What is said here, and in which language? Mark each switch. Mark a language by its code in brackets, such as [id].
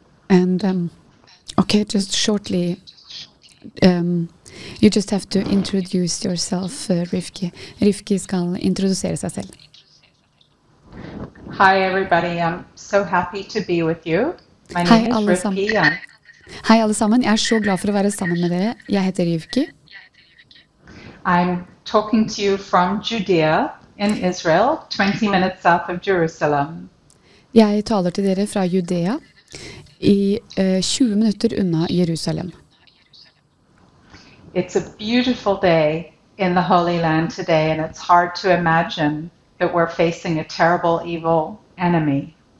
[en] And okay, just shortly, you just have to introduce yourself, Rifki. [no] Rifki skal introdusere seg selv. [en] Hi everybody, I'm so happy to be with you. My Hei, name is Rifki. [no] Hei alle sammen, jeg så glad for å være sammen med dere. Jeg heter Rifki. [en] I'm talking to you from Judea in Israel, 20 minutes south of Jerusalem. [no] Jeg taler til dere fra Judea I 20 minutter unna Jerusalem. [en] It's a beautiful day in the Holy Land today, and it's hard to imagine that we're facing a terrible, evil enemy.